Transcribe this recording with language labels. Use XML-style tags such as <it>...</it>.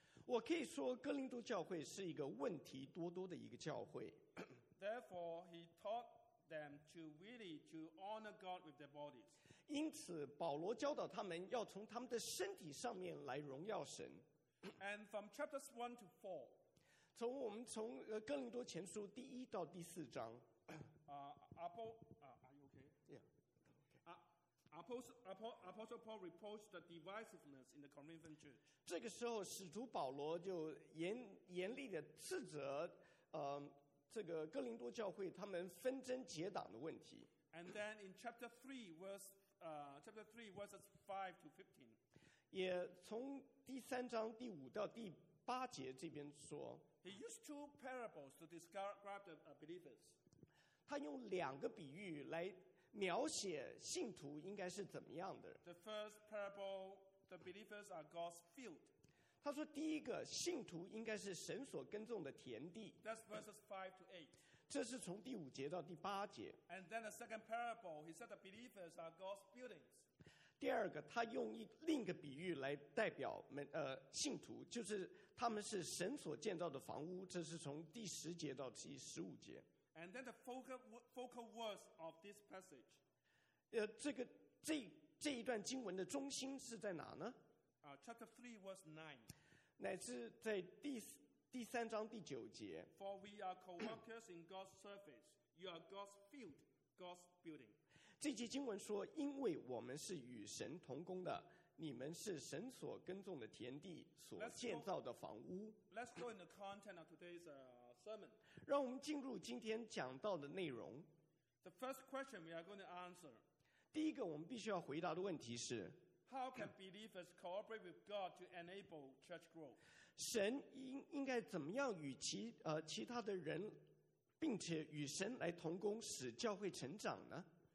<zh>我可以说哥林多教会是一个问题多多的一个教会。</zh> <en>Therefore, he taught them to honor God with their bodies.</en> <zh>因此，保罗教导他们要从他们的身体上面来荣耀神。</zh> <en>And from chapters 1 to 4,</en> <zh>从我们从哥林多前书第一到第四章。</zh> <en>Are you okay? Yeah. Okay. Apostle Paul reports the divisiveness in the Corinthian church.</en> <zh>这个时候，使徒保罗就严厉的斥责，这个哥林多教会他们纷争结党的问题。</zh> <en>And then in chapter 3, verses 5 to 15.</en> <zh>也从第三章第五到第八节这边说。</zh> <en>He used two parables to describe the believers.</en> <zh>他用两个比喻来描写信徒应该是怎么样的。</zh> <en>The first parable, the believers are God's field.</en> <zh>他说第一个信徒应该是神所耕种的田地。</zh> <en>That's verses 5 to 8.</en> <zh>这是从第五节到第八节。</zh> <en>And then the second parable, he said the believers are God's buildings.</en> <zh>第二个，他用另一个比喻来代表信徒，就是他们是神所建造的房屋。这是从第十节到第十五节。</zh> <en>And then the focal words of this passage.</en> <zh>这一段经文的中心是在哪呢？</zh> <en>Chapter 3, verse 9.</en> <zh>乃是在第三章第九节。</zh> <en>For we are co-workers in God's service. You are God's field, God's building.</en> <zh>这节经文说，因为我们是与神同工的，你们是神所耕种的田地，所建造的房屋。</zh> <en>Let's go in the content of today's sermon.</en> <zh>让我们进入今天讲到的内容。</zh> <en>The first question we are going to answer.</en> <zh>第一个我们必须要回答的问题是</zh> <en>，How can believers cooperate with God to enable church growth?</en> <zh>神应该怎么样与其他的人，并且与神来同工，使教会成长呢？</zh>